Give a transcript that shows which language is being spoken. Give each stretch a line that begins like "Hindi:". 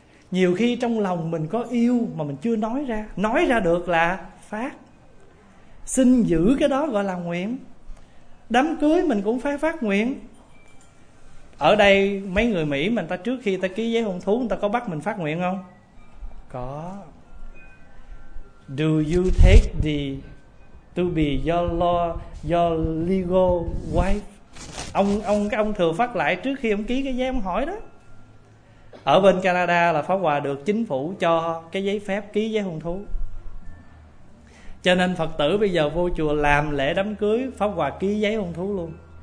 Vietnamese: Nhiều khi trong lòng mình có yêu mà mình chưa nói ra. Nói ra được là phát. Xin giữ cái đó gọi là nguyện. Đám cưới mình cũng phải phát nguyện. Ở đây mấy người Mỹ mà người ta trước khi ta ký giấy hôn thú, người ta có bắt mình phát nguyện không? Có.
English: Do you take the to be your law, your legal wife?
Vietnamese: Ông thừa phát lại trước khi ông ký cái giấy, ông hỏi đó. Ở bên Canada là Pháp Hòa được chính phủ cho cái giấy phép ký giấy hôn thú. Cho nên Phật tử bây giờ vô chùa làm lễ đám cưới, Pháp Hòa ký giấy hôn thú luôn.